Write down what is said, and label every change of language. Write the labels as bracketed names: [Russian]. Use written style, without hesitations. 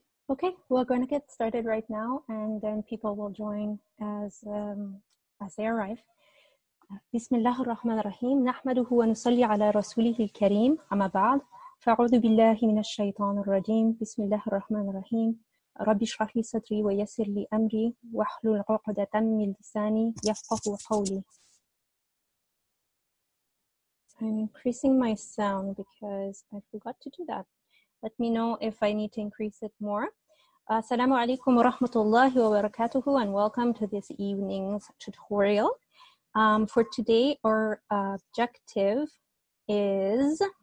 [English] Okay, we're going to get started right now and then people will join as they arrive. [Arabic] بسم الله الرحمن الرحيم نحمده ونصلي على رسوله الكريم أما بعد فأعوذ بالله من الشيطان الرجيم بسم الله الرحمن الرحيم رب اشرح لي صدري ويسر لي أمري واحلل عقدة من لساني يفقهوا قولي. [English] I'm increasing my sound because I forgot to do that. Let me know if I need to increase it more. [Arabic] Assalamu alaikum wa rahmatullahi wa barakatuhu [English] and welcome to this evening's tutorial. For today, our objective is...